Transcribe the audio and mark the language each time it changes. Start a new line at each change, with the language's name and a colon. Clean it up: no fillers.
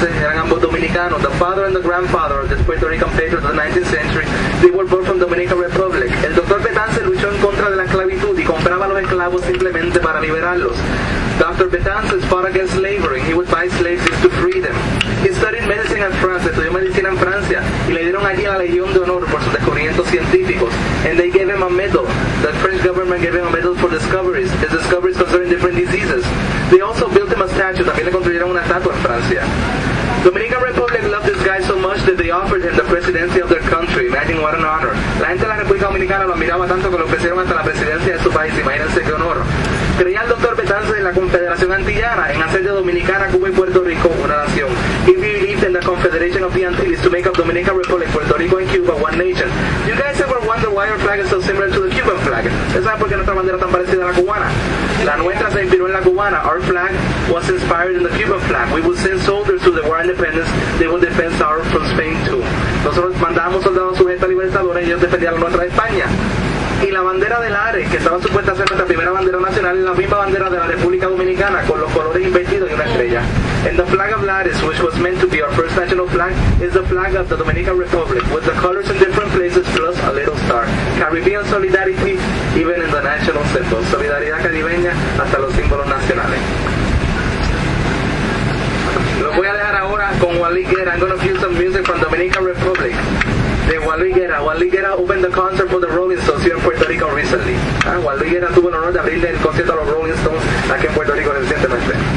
English: The father and the grandfather of the Puerto Rican patriots of the 19th century, they were born from the Dominican Republic.
Spanish: El doctor Betances luchó en contra de la esclavitud y compraba a los esclavos simplemente para liberarlos.
English: Dr. Betances fought against slavery. He would buy slaves into freedom. He studied medicine in France.
Spanish: Estudió medicina en Francia y le dieron allí la Legión de Honor por sus descubrimientos científicos.
English: And they gave him a medal. The French government gave him a medal for discoveries. His discoveries concerning different diseases. They also built him a statue.
Spanish: También le construyeron una estatua en Francia.
English: Dominican Republic loved this guy so much that they offered him the presidency of their country. Imagine what an honor.
Spanish: La gente de la República Dominicana lo admiraba tanto que le ofrecieron hasta la presidencia de su país. Imagínense qué honor. Creía el doctor Betances en la Confederación Antillana, en hacer de Dominicana, Cuba y Puerto Rico una nación.
English: He believed in the Confederation of the Antilles to make up Dominican Republic, Puerto Rico and Cuba one nation. You guys ever wonder why our flag is so similar to the Cuban flag?
Spanish: ¿Ustedes saben por qué nuestra bandera es tan parecida a la cubana? La nuestra se inspiró en la cubana.
English: Our flag was inspired in the Cuban flag. We would send soldiers to the war independence. They would defend ours from Spain too.
Spanish: Nosotros mandábamos soldados sujetos a libertadores y ellos defendían la nuestra de España. Y la bandera del ARE, que estaba supuesta a ser nuestra primera bandera nacional, es la misma bandera de la República Dominicana, con los colores invertidos y una estrella.
English: And the flag of LARES, which was meant to be our first national flag, is the flag of the Dominican Republic, with the colors in different places, plus a little star. Caribbean solidarity, even in the national symbol.
Spanish: Solidaridad caribeña hasta los símbolos nacionales. Los voy a dejar ahora con Wally Guerra.
English: I'm going to cue some music from Dominican Republic.
Spanish: De Wally Guerra.
English: Wally Guerra opened the concert for the Rolling Stones here in Puerto Rico recently.
Spanish: Wally Guerra tuvo el honor de abrirle el concierto a los Rolling Stones aquí en Puerto Rico recientemente.